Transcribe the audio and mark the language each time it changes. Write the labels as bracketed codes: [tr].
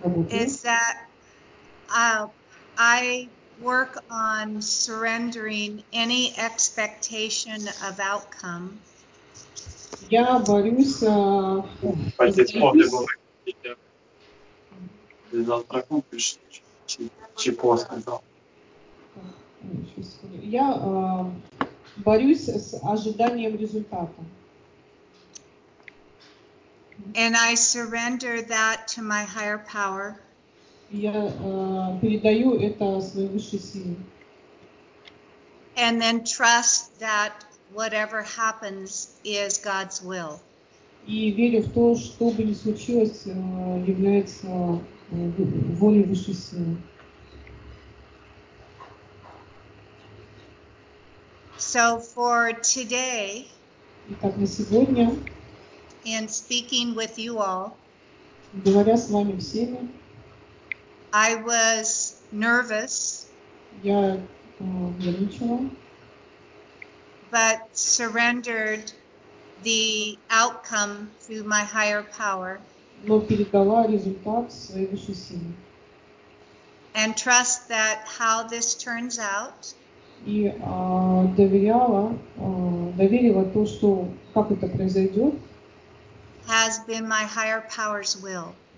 [en] Is that I work on surrendering any expectation of outcome. [ru] Я борюсь борюсь с ожиданием результата. [en] And I surrender that to my higher power. [ru] Я передаю это своей высшей силе. [en] And then trust that whatever happens is God's will. [ru] И верю в то, что бы ни случилось, является волей высшей силы. [en] So for today. [ru] Итак, на сегодня. [en] And speaking with you all. [ru] Говоря с вами всеми. [en] I was nervous. [ru] Я нервничала. [en] But surrendered the outcome to my higher power. [ru] Но передала результат своей высшей силе. [en] And trust that how this turns out. [ru] И доверяла, доверила то, что как это произойдет. [en] Has been my higher power's will.